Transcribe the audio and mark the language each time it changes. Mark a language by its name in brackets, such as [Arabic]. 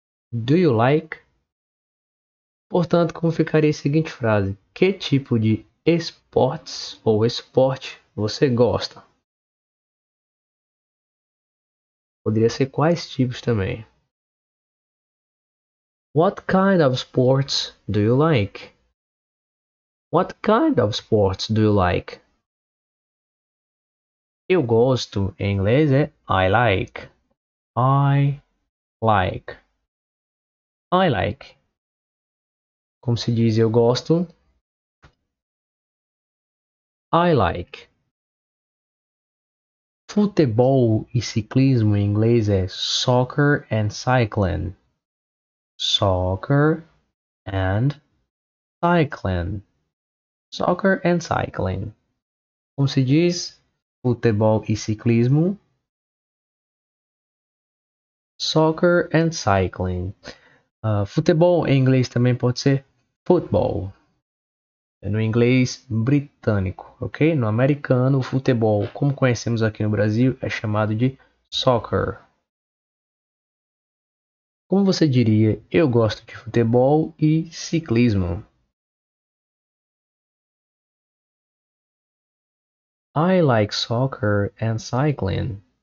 [English] Do you like? [Portuguese] Portanto, como ficaria a seguinte frase? Que tipo de esportes ou esporte você gosta? Poderia ser quais tipos também? [English] What kind of sports do you like? What kind of sports do you like? [Portuguese] Eu gosto, em inglês é [English] I like. I like. I like. [Portuguese] Como se diz eu gosto? [English] I like. [Portuguese] Futebol e ciclismo em inglês é [English] soccer and cycling. Soccer and cycling. Soccer and cycling. [Portuguese] Como se diz futebol e ciclismo? [English] Soccer and cycling. [Portuguese] Futebol em inglês também pode ser football. No inglês britânico, ok? No americano, o futebol, como conhecemos aqui no Brasil, é chamado de soccer. Como você diria, eu gosto de futebol e ciclismo? [English] I like soccer and cycling.